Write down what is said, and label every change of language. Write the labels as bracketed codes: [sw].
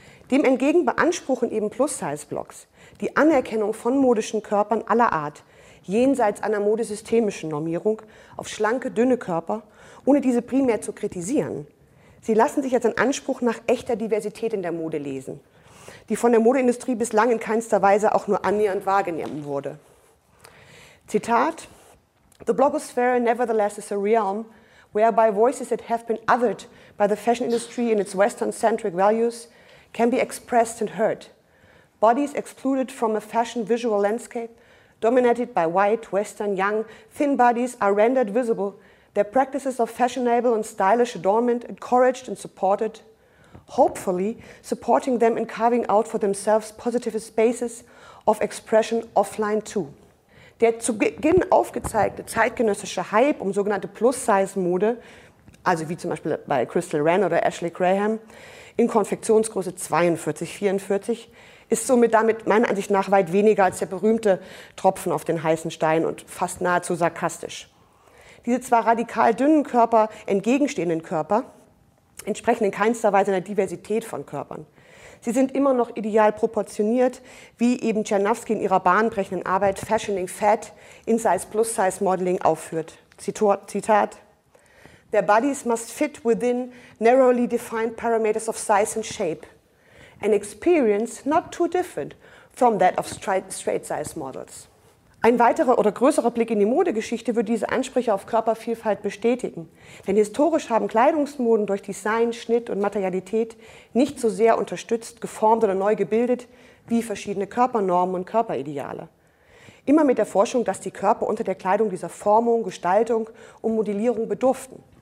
[de] Dem entgegen beanspruchen eben Plus-Size-Blocks die Anerkennung von modischen Körpern aller Art, jenseits einer modesystemischen Normierung auf schlanke, dünne Körper, ohne diese primär zu kritisieren. Sie lassen sich als einen Anspruch nach echter Diversität in der Mode lesen, die von der Modeindustrie bislang in keinster Weise auch nur annähernd wahrgenommen wurde. [en] Zitat: The blogosphere nevertheless is a realm whereby voices that have been othered by the fashion industry in its Western-centric values can be expressed and heard. Bodies excluded from a fashion visual landscape dominated by white, Western, young, thin bodies are rendered visible, their practices of fashionable and stylish adornment encouraged and supported, hopefully supporting them in carving out for themselves positive spaces of expression offline too. [de] Der zu Beginn aufgezeigte zeitgenössische Hype um sogenannte Plus-Size-Mode, also wie zum Beispiel bei Crystal Ren oder Ashley Graham, in Konfektionsgröße 42, 44, ist somit damit meiner Ansicht nach weit weniger als der berühmte Tropfen auf den heißen Stein und fast nahezu sarkastisch. Diese zwar radikal dünnen Körper, entgegenstehenden Körper, entsprechen in keinster Weise einer Diversität von Körpern. Sie sind immer noch ideal proportioniert, wie eben Czerniawski in ihrer bahnbrechenden Arbeit Fashioning Fat in Size Plus Size Modeling aufführt. [en] Zitat: Their bodies must fit within narrowly defined parameters of size and shape. An experience not too different from that of straight-size models. [de] Ein weiterer oder größerer Blick in die Modegeschichte wird diese Ansprüche auf Körpervielfalt bestätigen. Denn historisch haben Kleidungsmoden durch Design, Schnitt und Materialität nicht so sehr unterstützt, geformt oder neu gebildet wie verschiedene Körpernormen und Körperideale. Immer mit der Forschung, dass die Körper unter der Kleidung dieser Formung, Gestaltung und Modellierung bedurften.